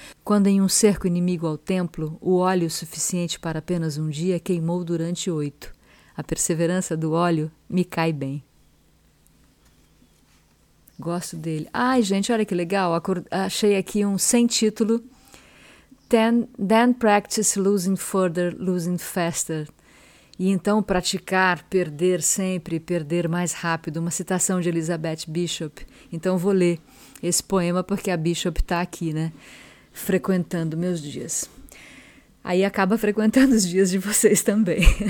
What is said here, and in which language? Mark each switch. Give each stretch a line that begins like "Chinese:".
Portuguese: Quando em um cerco inimigo ao templo, o óleo suficiente para apenas um dia queimou durante 8. A perseverança do óleo me cai bem. Gosto dele. Ai, gente, olha que legal, achei aqui um sem título.
English: Then practice losing further, losing faster.
Portuguese: E então praticar, perder sempre, perder mais rápido. Uma citação de Elizabeth Bishop. Então vou ler esse poema porque a Bishop está aqui, né? Frequentando meus dias. Aí acaba frequentando os dias de vocês também.